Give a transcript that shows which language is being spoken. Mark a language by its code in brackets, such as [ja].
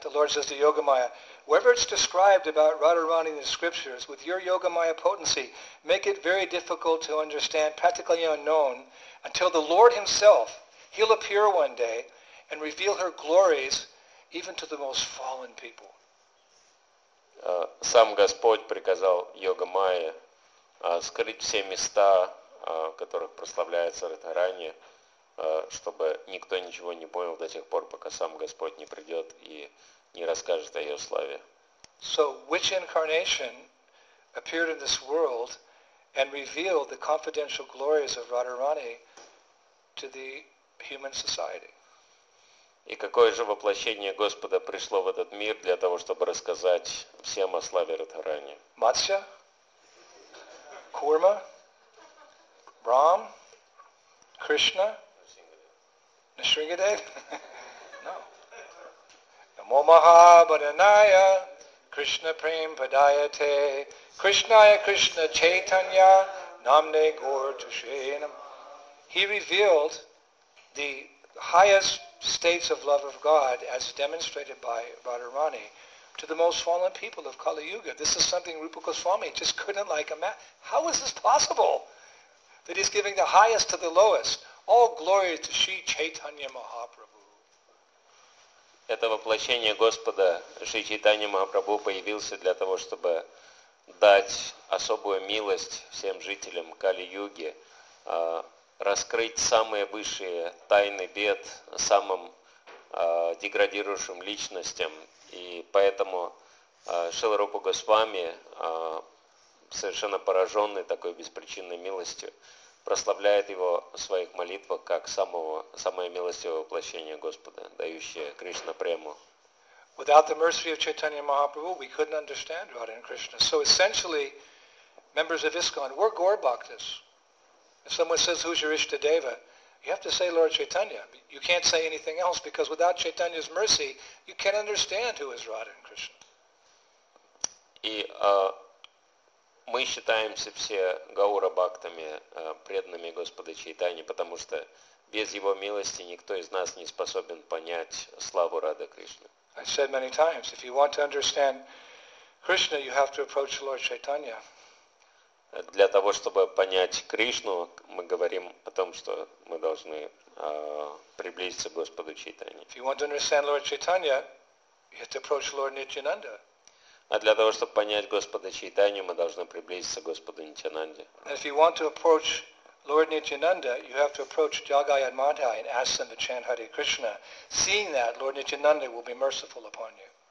[en] The Lord says to Yogamaya, wherever it's described about Radharani in the scriptures, with your Yogamaya potency, make it very difficult to understand, practically unknown, until the Lord himself, he'll appear one day and reveal her glories even to the most fallen people. [ru] Сам Господь приказал Йогамайе скрыть все места, в которых прославляется Радхарани, чтобы никто ничего не понял до тех пор, пока сам Господь не придет и не расскажет о ее славе. [en] So which incarnation appeared in this world and revealed the confidential glories of Radharani to the human society? [ru] И какое же воплощение Господа пришло в этот мир для того, чтобы рассказать всем о славе Радхарани? Матсья? Курма? Брам? Кришна? Нисхингадев? [en] No. [sa] Namo Mahabharanaya Krishna Prem Padayate Krishnaya Krishna Chaitanya Namne Gaur Tushe Namah. [en] He revealed the highest states of love of God as demonstrated by Radharani to the most fallen people of Kali Yuga. This is something Rupa Goswami just couldn't like imagine. How is this possible? That he's giving the highest to the lowest. All glory to Shri Chaitanya Mahaprabhu. [ru] Это воплощение Господа Шри Чайтанья Махапрабху появился для того, чтобы дать особую милость всем жителям Кали-юги, раскрыть самые высшие тайны бед самым деградирующим личностям. И поэтому Шрила Рупа Госвами, совершенно пораженный такой беспричинной милостью, прославляет его в своих молитвах как самое милостивое воплощение Господа, дающее Кришна прему. [en] Without the mercy of Chaitanya Mahaprabhu, we couldn't understand Radha and Krishna. So essentially, members of ISKCON, we're Gaur Bhaktas. If someone says, who's your Ishtadeva? You have to say Lord Chaitanya. You can't say anything else, because without Chaitanya's mercy, you can't understand who is Radha and Krishna. [ru] И мы считаемся все Гаура Бхактами, преданными Господа Чайтани, потому что без Его милости никто из нас не способен понять славу Радха Кришны. [en] I said many times, if you want to understand Krishna, you have to approach Lord Chaitanya. [ru] Для того, чтобы понять Кришну, мы говорим о том, что мы должны приблизиться к Господу Чайтани. [en] If you want to understand Lord Chaitanya, you have to approach Lord Nityananda. [ru] А для того, чтобы понять Господа Чайтанью, мы должны приблизиться к Господу Нитянанде. [en] And if you want to approach Lord Nityananda, you have to approach Jagayad Madhai and ask them to chant Hare Krishna. Seeing that, Lord Nityananda will be merciful upon you.